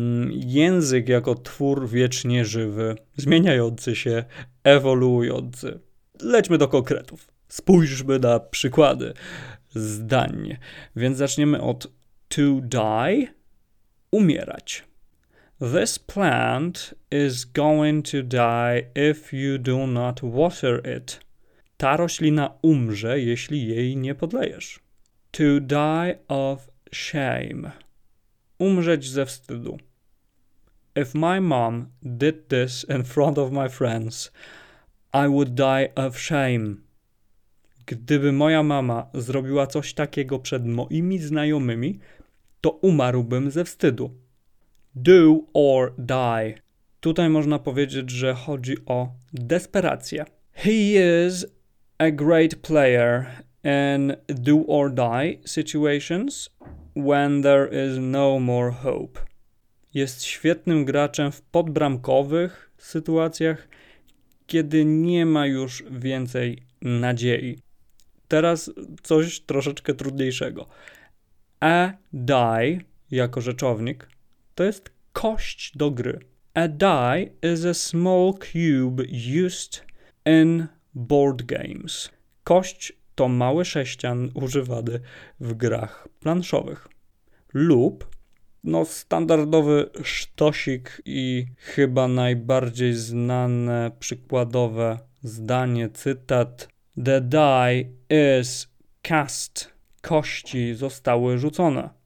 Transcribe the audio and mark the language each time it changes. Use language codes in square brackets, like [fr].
[pl] Język jako twór wiecznie żywy, zmieniający się, ewoluujący. Lećmy do konkretów. Spójrzmy na przykłady zdań. Więc zaczniemy od to die, umierać. [en] This plant is going to die if you do not water it. [pl] Ta roślina umrze, jeśli jej nie podlejesz. [en] To die of shame. [pl] Umrzeć ze wstydu. [en] If my mom did this in front of my friends, I would die of shame. [pl] Gdyby moja mama zrobiła coś takiego przed moimi znajomymi, to umarłbym ze wstydu. Do or die. Tutaj można powiedzieć, że chodzi o desperację. [en] He is a great player in do or die situations when there is no more hope. [pl] Jest świetnym graczem w podbramkowych sytuacjach, kiedy nie ma już więcej nadziei. Teraz coś troszeczkę trudniejszego. A die, jako rzeczownik, to jest kość do gry. [en] A die is a small cube used in board games. [pl] Kość to mały sześcian używany w grach planszowych. Lub, no standardowy sztosik i chyba najbardziej znane przykładowe zdanie, cytat. [en] The die is cast. [pl] Kości zostały rzucone.